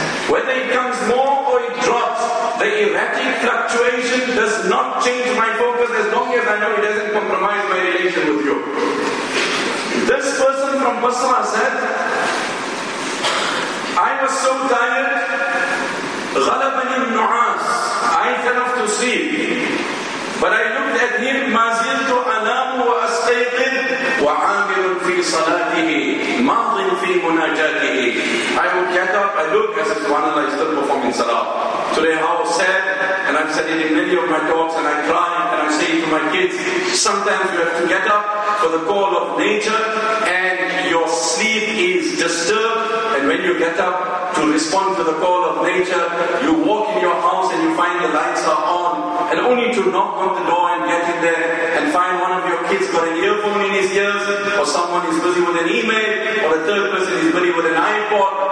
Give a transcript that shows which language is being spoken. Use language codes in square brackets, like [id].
[en] Whether it comes more or it drops, the erratic fluctuation does not change my focus as long as I know it doesn't compromise my relation with you. This person from Basra said, I was so tired, [ar] غَلَبَنِ النُّعَاسِ, [en] I fell off to sleep. But I looked at him, [ar] مَا زِلْتُ أَنَامُ وَأَسْتَيْقِدْ وَعَامِرٌ فِي صَلَاتِهِ مَاضٍ فِي مُنَاجَاتِهِ. [en] I would get up, I look, I said, subhanAllah, I'm still performing salah. Today how sad, and I've said it in many of my talks, and I cry, and I'm saying to my kids, sometimes you have to get up for the call of nature, and your sleep is disturbed. And when you get up to respond to the call of nature, you walk in your house and you find the lights are on, and only to knock on the door and get in there and find one of your kids got an earphone in his ears, or someone is busy with an email, or a third person is busy with an iPod.